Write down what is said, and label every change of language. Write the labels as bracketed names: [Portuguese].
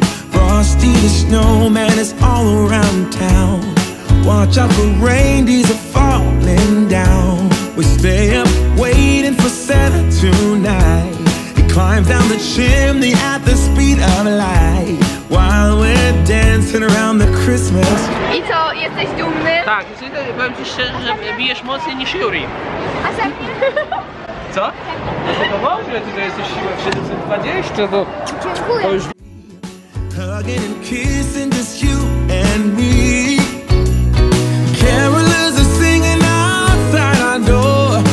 [English] Frosty the snowman is all around town. Watch out for reindeers are falling down. We stay up waiting for Santa tonight. He climbs down the chimney at the speed of light. While we're dancing around the Christmas. [Polish] I co, jesteś dumny? Tak, powiem ci szczerze, że bijesz mocniej niż Yuri. A sam nie? Co? No to dobrze, tutaj jesteś siła 720, to... Dziękuję. [English] Hugging and kissing, just you and me. Carolers are singing outside our door.